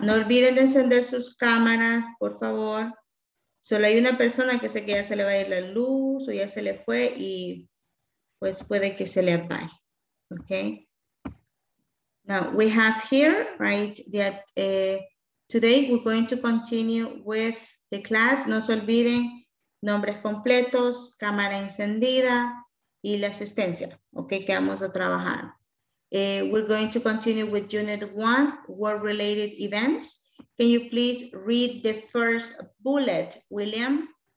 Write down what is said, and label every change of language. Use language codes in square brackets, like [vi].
[es] No olviden de encender sus cámaras, por favor. Solo hay una persona que sé que ya se le va a ir la luz o ya se le fue y pues puede que se le apague. [en] Okay. Now we have here, right, that today we're going to continue with the class. [es] No se olviden, nombres completos, cámara encendida y la asistencia. Okay, que vamos a trabajar. [en] We're going to continue with Unit 1, Work-Related Events. Can you please read the first bullet, William?